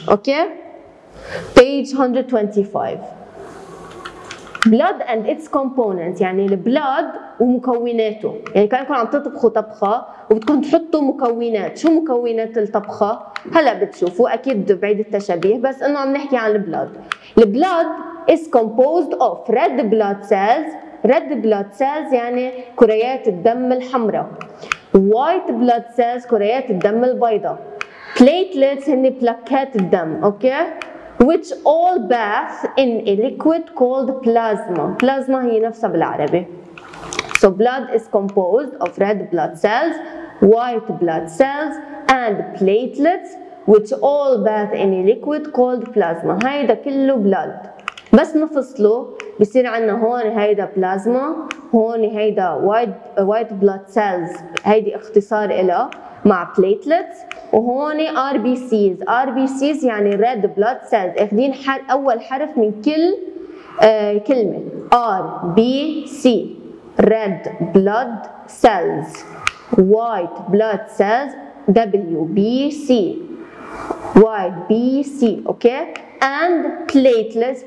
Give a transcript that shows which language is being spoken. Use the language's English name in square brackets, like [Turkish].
[Arabic] اوكي Page 125 [English] Blood and its components [Arabic] يعني البلاد ومكوناته، يعني كأنكم عم تطبخوا طبخة وبدكم تحطوا مكونات، شو مكونات الطبخة؟ هلا بتشوفوا أكيد بعيد التشبيه بس إنه عم نحكي عن البلاد. [English] البلاد is composed of red blood cells، red blood cells [Arabic] يعني كريات الدم الحمراء، [English] white blood cells [Arabic] كريات الدم البيضاء، [English] platelets [Arabic] هن بلاكات الدم، أوكي؟ [English] which all bath in a liquid called plasma. [Arabic] Plasma هي نفسها بالعربي. [English] So blood is composed of red blood cells, white blood cells, and platelets, which all bath in a liquid called plasma. [Arabic] هيدا كله blood. بس نفصله بصير عندنا هون هيدا بلازما، هون هيدا [English] white blood cells، [Arabic] هيدي اختصار إلها. مع platelets وهون RBCs. [English] RBCs يعني red blood cells [Arabic] اخذين اول حرف من كل كلمة [English] RBC red blood cells white blood cells WBC white BC okay and platelets.